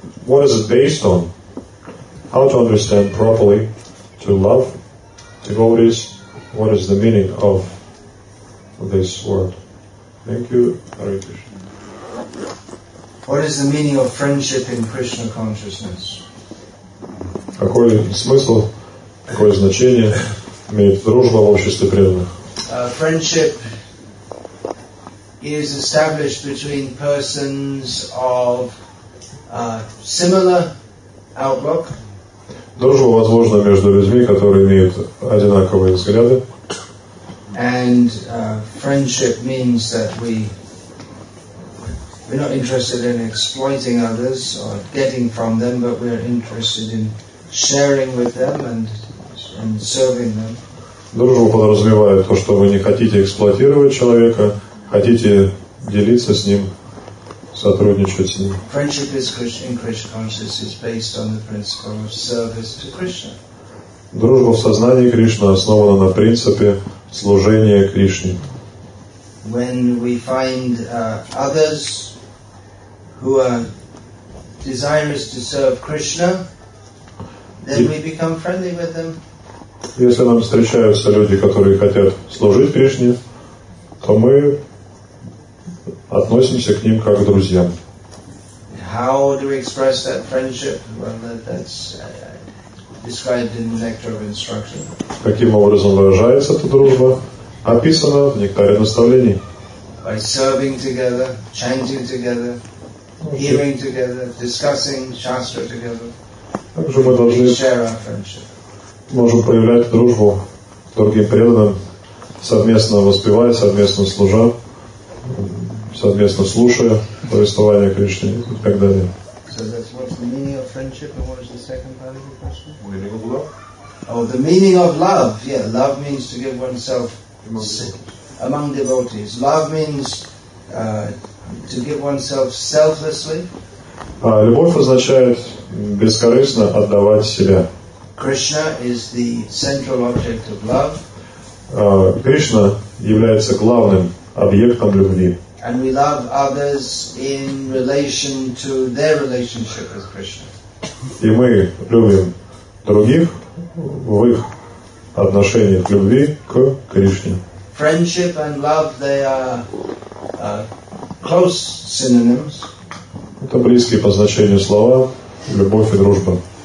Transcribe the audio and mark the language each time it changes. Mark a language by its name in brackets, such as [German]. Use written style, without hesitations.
[English] What is it based on? How to understand properly to love devotees? What is the meaning of this word? Thank you, Hare Krishna. What is the meaning of friendship in Krishna consciousness? According to [Russian] смысл, какое значение имеет дружба в обществе преданных? [English] Friendship is established between persons of similar outlook. [Russian] Дружба возможна между людьми, которые имеют одинаковые взгляды. [English] And friendship means that we're not interested in exploiting others or getting from them, but we're interested in sharing with them and serving them. [Russian] Дружба подразумевает то, что вы не хотите эксплуатировать человека, хотите делиться с ним, сотрудничать с ним. [English] Friendship is in Krishna consciousness is based on the principle of service to Krishna. [Russian] Дружба в сознании Кришны основана на принципе служения Кришне. [English] When we find others who are desirous to serve Krishna, then we become friendly with them. [Russian] Если нам встречаются люди, которые хотят служить Кришне, то мы относимся к ним как к друзьям. [English] How do we express that friendship? Well, that's described in the nectar of instruction. [Russian] Каким образом выражается эта дружба? Описано в нектаре наставлений. [English] By serving together, chanting together, hearing together, discussing shastra together. [Russian] Также мы должны [English] share our friendship. [Russian] Можем проявлять дружбу с другим преданным, совместно воспевая, совместно служа, совместно слушая повествование Кришны и так далее. [English] So that's what's the meaning of friendship and what is the second part of the question? The meaning of love. Oh, the meaning of love. Yeah, love means to give oneself among devotees. Love means to give oneself selflessly. [Russian] Любовь означает бескорыстно отдавать себя. [English] Krishna is the central object of love. [Russian] Кришна является главным объектом любви. [English] And we love others in relation to their relationship with Krishna. [Russian] И мы любим других в их отношении к любви к Кришне. [English] Friendship and love, they are close synonyms. [Russian] Это близкие по значению слова любовь и дружба.